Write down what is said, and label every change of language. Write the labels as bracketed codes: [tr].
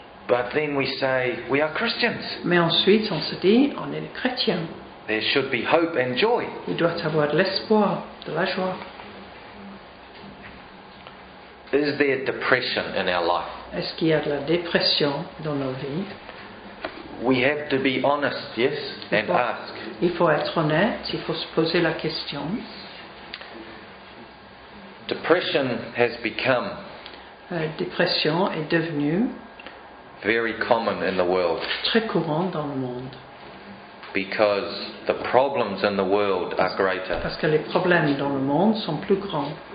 [en] But then we say we are Christians. [fr] Mais ensuite, on se dit, on est chrétien. [en] There should be hope and joy. [fr] Il doit y avoir de l'espoir, de la joie. [en] Is there depression in our life? [fr] Est-ce qu'il y a de la dépression dans nos vies? [en] We have to be honest, yes, and ask. [fr] Il faut être honnête, il faut se poser la question. [en] Depression has become [fr] Dépression est devenue [en] very common in the world. [fr] Très courant dans le monde. [en] Because the problems in the world are greater. [fr] Parce que les problèmes dans le monde sont plus grands.